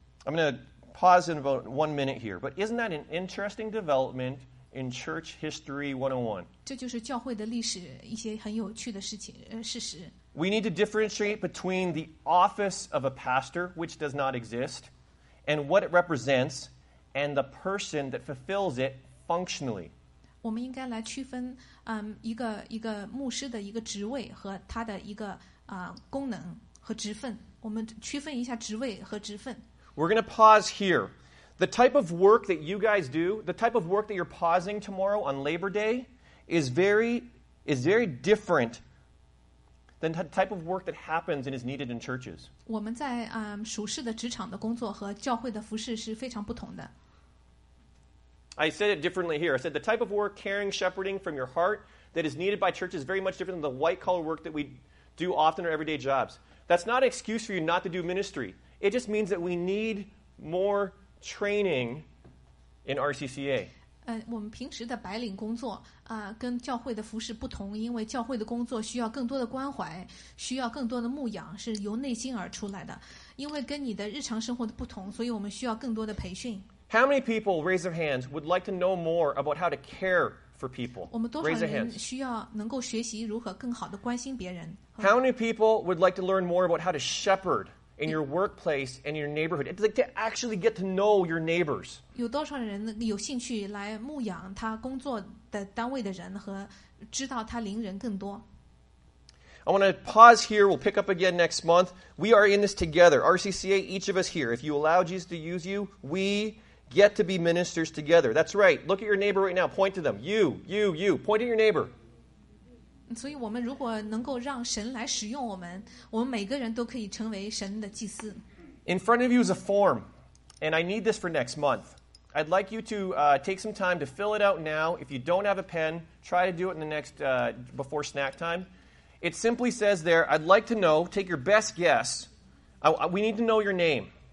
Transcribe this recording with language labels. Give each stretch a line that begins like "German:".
English: I'm going to pause in about 1 minute here, but isn't that an interesting development in Church History 101?
Chinese: 这就是教会的历史一些很有趣的事实。
English: We need to differentiate between the office of a pastor, which does not exist, and what it represents, and the person that fulfills it functionally.
Chinese: 我们应该来区分、一个牧师的一个职位和他的一个、功能和职分。我们区分一下职位和职分。
English: We're going to pause here. The type of work that you guys do, the type of work that you're pausing tomorrow on Labor Day, is very different than the type of work that happens and is needed in churches.
Chinese: 我们在属事的职场的工作和教会的服事是非常不同的。
English: I said it differently here. I said the type of work, caring, shepherding from your heart that is needed by churches is very much different than the white-collar work that we do often in our everyday jobs. That's not an excuse for you not to do ministry. It just means that we need more training in RCCA.
Chinese: 我们平时的白领工作啊、跟教会的服事不同，因为教会的工作需要更多的关怀，需要更多的牧养，是由内心而出来的。因为跟你的日常生活的不同，所以我们需要更多的培训。
English: How many people, raise their hands, would like to know more about how to care for people?
Chinese: 我们多少人需要能够学习如何更好的关心别人
English: ？How many people would like to learn more about how to shepherd in your workplace and your neighborhood? It's like to actually get to know your neighbors.
Chinese: 有多少人有兴趣来牧养他工作的单位的人和知道他邻人更多？
English: I want to pause here. We'll pick up again next month. We are in this together. RCCA, each of us here. If you allow Jesus to use you, we... get to be ministers together. That's right. Look at your neighbor right now. Point to them. You. Point at your neighbor.
Chinese: 所以我们如果能够让神来使用我们，我们每个人都可以成为神的祭司。
English: In front of you is a form, and I need this for next month. I'd like you to take some time to fill it out now. If you don't have a pen, try to do it in the next, before snack time. It simply says there, I'd like to know, take your best guess. We need to know your name.